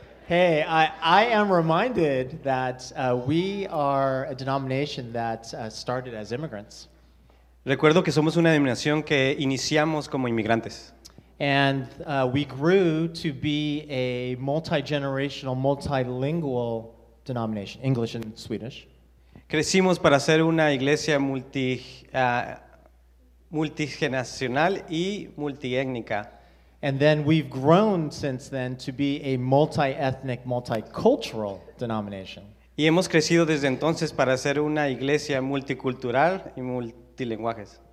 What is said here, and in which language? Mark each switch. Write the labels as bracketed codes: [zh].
[en] Hey, I am reminded that we are a denomination that started as immigrants. [es] Recuerdo que somos una denominación que iniciamos como inmigrantes. [en] And we grew to be a multi-generational, multilingual denomination, English and Swedish. [es] Crecimos para ser una iglesia multigeneracional y multiétnica. [en] And then we've grown since then to be a multi-ethnic, multicultural denomination. [es] Y hemos crecido desde entonces para ser una iglesia multicultural y multilingües.